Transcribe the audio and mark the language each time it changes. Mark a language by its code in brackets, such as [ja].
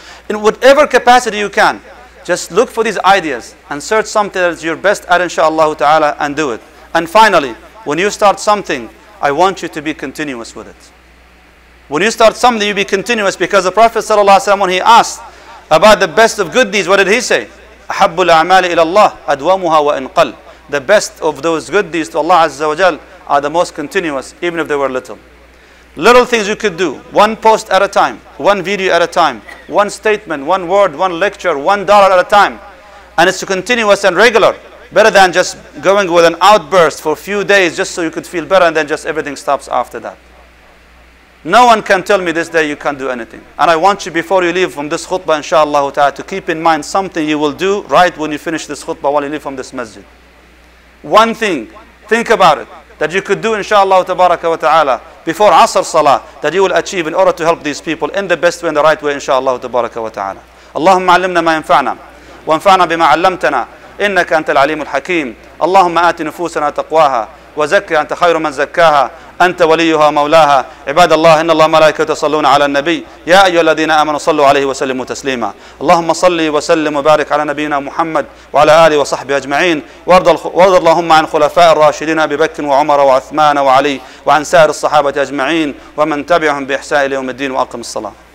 [en] In whatever capacity you can, just look for these ideas and search something that's your best at, inshallah ta'ala, and do it. And finally, when you start something, I want you to be continuous with it. When you start something, you be continuous, because the Prophet sallallahu alaihi wasallam, when he asked about the best of good deeds, what did he say? [ar] أحب الأعمال إلى الله أدومها وإن قل. [en] The best of those good deeds to Allah Azza wa Jal are the most continuous, even if they were little. Little things you could do, one post at a time, one video at a time, one statement, one word, one lecture, $1 at a time. And it's continuous and regular, better than just going with an outburst for a few days just so you could feel better and then just everything stops after that. No one can tell me this day you can't do anything. And I want you, before you leave from this khutbah, inshallah ta'ala, to keep in mind something you will do right when you finish this khutbah, while you leave from this masjid. One thing, think about it, that you could do, inshallah tabaraka wa ta'ala, before Asr Salah, that you will achieve in order to help these people in the best way, in the right way, inshallah tabaraka wa ta'ala. [ar] Allahumma allimna ma yanfa'na, wa anfa'na bima allamtana, innaka anta al-alim al-hakim. Allahumma aati nufusana taqwaha, wa zakki anta khayru man zakkaha, أنت وليها مولاها. عباد الله، إن الله ملائكته يصلون على النبي، يا أيها الذين آمنوا صلوا عليه وسلموا تسليما. اللهم صل وسلم وبارك على نبينا محمد وعلى آله وصحبه أجمعين. وارض اللهم عن خلفاء الراشدين أبي بكر وعمر وعثمان وعلي، وعن سائر الصحابة أجمعين ومن تبعهم بإحسان إلى يوم الدين. وأقم الصلاة.